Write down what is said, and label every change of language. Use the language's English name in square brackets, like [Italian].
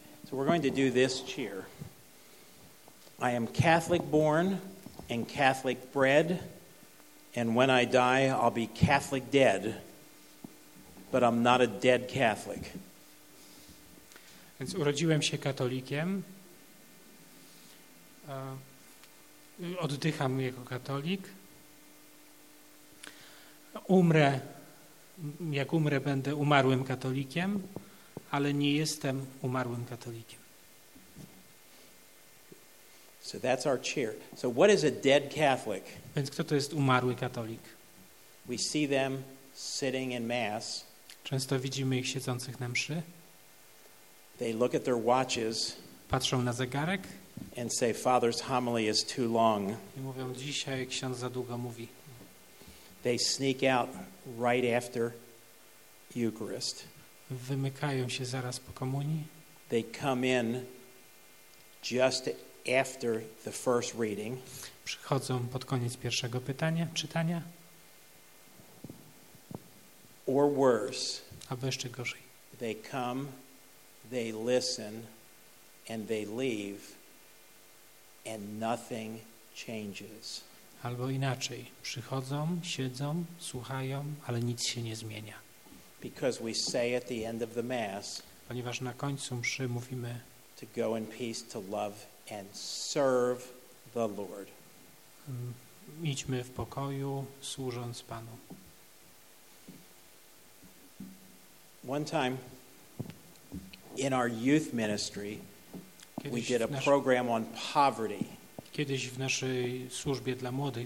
[English] So we're going to do this cheer. I am Catholic born and Catholic bred, and when I die, I'll be Catholic dead, but I'm not a dead Catholic. [Polish] Więc urodziłem się katolikiem. Oddycham jako katolik. Umrę, jak umrę, będę umarłym katolikiem, ale nie jestem umarłym katolikiem. [English] So that's our cheer. So what is a dead Catholic? [Polish] Więc kto to jest umarły katolik? [English] We see them sitting in mass. [Polish] Często widzimy ich siedzących na mszy. [English] They look at their watches. [Polish] Patrzą na zegarek. [English] And say, Father's homily is too long. [Polish] I mówią, dzisiaj ksiądz za długo mówi. [English] They sneak out right after Eucharist. [Polish] Wymykają się zaraz po komunii. [English] They come in just after the first reading. [Polish] Przychodzą pod koniec pierwszego pytania, czytania. [English] Or worse. [Polish] Albo jeszcze gorzej. [English] They come, they listen, and they leave. And nothing changes. [Polish] Albo inaczej, przychodzą, siedzą, słuchają, ale nic się nie zmienia. [English] Because we say at the end of the mass, [Polish] ponieważ na końcu mszy mówimy, [English] to go in peace, to love and serve the Lord. [Polish] Idźmy w pokoju, służąc Panu. [English] One time in our youth ministry, we did a program on poverty. [Polish] Kiedyś w naszej służbie dla młodych